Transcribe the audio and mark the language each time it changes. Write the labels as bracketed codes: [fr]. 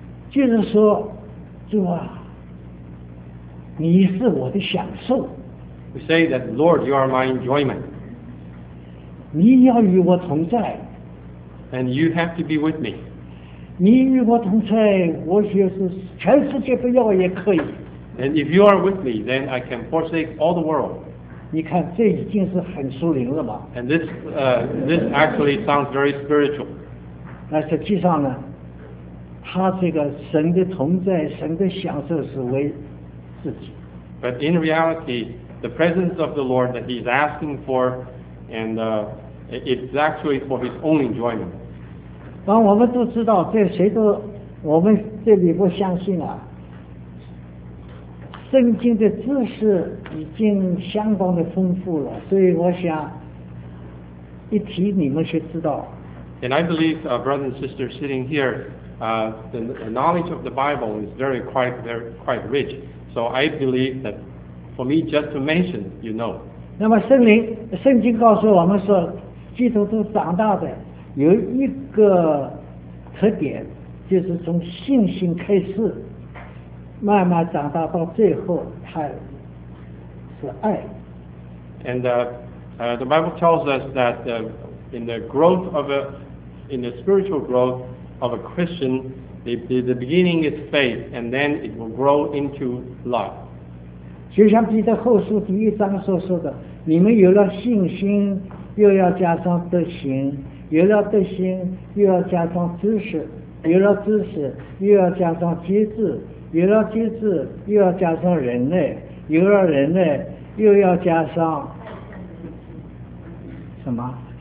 [zh] 就是说，主啊，你是我的享受。 [en] We say that, Lord, you are my enjoyment. [zh] 你要与我同在。 [en] And you have to be with me. [zh] 你与我同在，我就是全世界不要也可以。 [en] And if you are with me, then I can forsake all the world. [zh] 你看，这已经是很属灵了嘛。 [en] And this actually sounds very spiritual. [zh] 但实际上呢，他这个神的同在，神的享受是为自己。 [en] But in reality, the presence of the Lord that he's asking for, and it's actually for his own enjoyment. [zh] 当我们都知道，这谁都，我们这里不相信啊。圣经的知识已经相当的丰富了，所以我想一提你们就知道。 [en] And I believe, brothers and sisters sitting here, the knowledge of the Bible is very quite rich. So I believe that for me just to mention, you know. [zh] 那么圣经告诉我们说，基督徒长大的有一个特点，就是从信心开始。慢慢长大到最后，他是爱。 [en] And the Bible tells us that in the growth of in the spiritual growth of a Christian, the beginning is faith, and then it will grow into love. [zh] 就像彼得后书第一章所说的，你们有了信心，又要加上德行；有了德行，又要加上知识；有了知识，又要加上节制。有了节制，又要加上忍耐；有了忍耐，又要加上什么？